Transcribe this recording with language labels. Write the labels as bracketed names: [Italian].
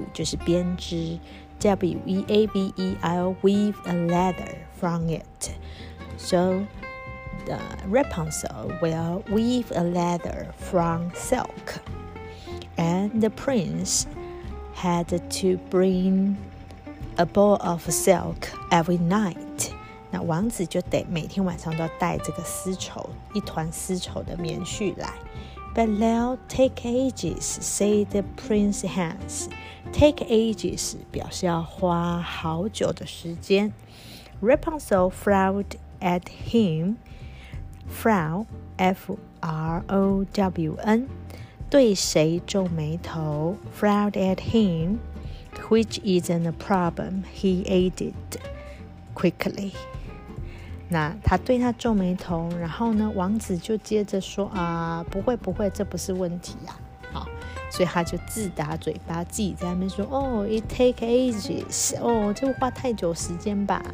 [Chinese] 就是编织 [English] W-E-A-V-E I'll weave a ladder from it. So the Rapunzel will weave a ladder from silk. And the prince had to bring a ball of silk every night. [Chinese] 那王子就得每天晚上都要带这个丝绸，一团丝绸的棉絮来。 [English] But they'll take ages, say the prince Hans. Take ages [Chinese] 表示要花好久的时间。 [English] Rapunzel frowned at him. Frown, F-R-O-W-N, [Chinese] 对谁皱眉头。 [English] Frowned at him, which isn't a problem, he added quickly. [Chinese] 那他对他皱眉头，然后呢，王子就接着说啊，不会不会，这不是问题啊，好，所以他就自打嘴巴，自己在那边说，哦 ， [English] it take ages， [Chinese] 哦，这会花太久时间吧。